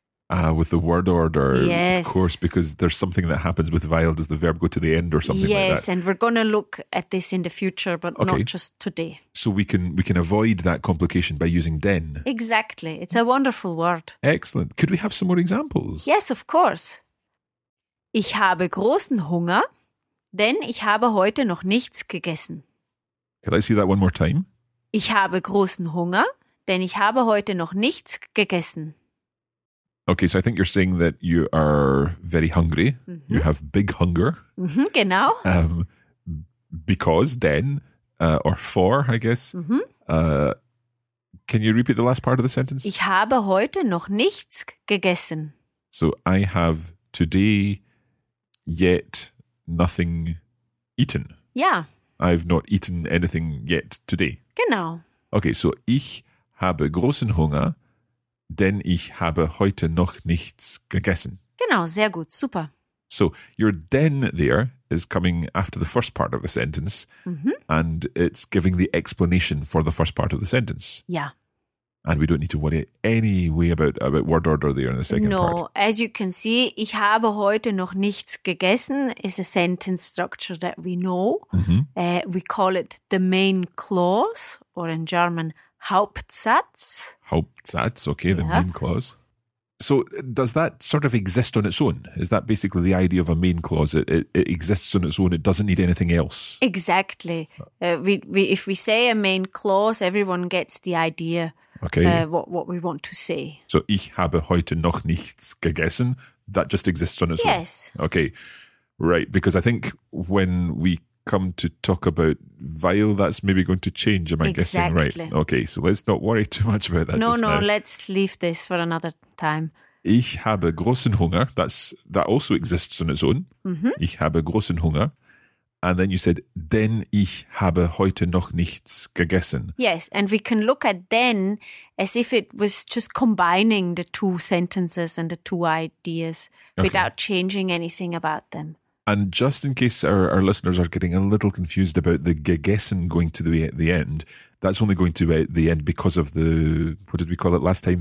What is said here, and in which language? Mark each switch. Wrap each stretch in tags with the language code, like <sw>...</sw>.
<en>With the word order, yes. Of course, because there's something that happens with weil. Does the verb go to the end or something, yes, like that? Yes, and we're going to look at this in the future, but okay. Not just today. So we can avoid that complication by using den. Exactly. It's a wonderful word. Excellent. Could we have some more examples? Yes, of course.</en> <de>Ich habe großen Hunger, denn ich habe heute noch nichts gegessen.</de> <en>Can I see that one more time?</en> <de>Ich habe großen Hunger, denn ich habe heute noch nichts gegessen.</de> <en>Okay, so I think you're saying that you are very hungry. Mm-hmm. You have big hunger.</en> <de>Mm-hmm, genau.</de> <en>Because, then, or for, I guess. Mm-hmm. Can you repeat the last part of the sentence?</en> <de>Ich habe heute noch nichts gegessen.</de> <en>So I have today yet nothing eaten. Yeah. I've not eaten anything yet today.</en> <de>Genau.</de> <en>Okay, so</en> <de>ich habe großen Hunger, denn ich habe heute noch nichts gegessen. Genau, sehr gut, super.</de> <en>So your den there is coming after the first part of the sentence, mm-hmm. and it's giving the explanation for the first part of the sentence. Yeah. And we don't need to worry any way about word order there in the second no, part. No, as you can see,</en> <de>ich habe heute noch nichts gegessen</de> <en>is a sentence structure that we know. Mm-hmm. We call it the main clause, or in German, Hauptsatz. Hauptsatz, okay, yeah. The main clause. So does that sort of exist on its own? Is that basically the idea of a main clause? It exists on its own. It doesn't need anything else. Exactly. If we say a main clause, everyone gets the idea. Okay. What we want to say.</en> <de>So, ich habe heute noch nichts gegessen.</de> <en>That just exists on its yes. own. Yes. Okay. Right. Because I think when we come to talk about weil, that's maybe going to change, am I exactly. guessing? Right. Okay. So, let's not worry too much about that. No, just no. Let's leave this for another time.</en> <de>Ich habe großen Hunger.</de> <en>That also exists on its own. Mm-hmm.</en> <de>Ich habe großen Hunger.</de> <en>And then you said,</en> <de>denn ich habe heute noch nichts gegessen.</de> <en>Yes, and we can look at denn as if it was just combining the two sentences and the two ideas okay. without changing anything about them. And just in case our listeners are getting a little confused about the gegessen going to the end, that's only going to the end because of the, what did we call it last time?</en>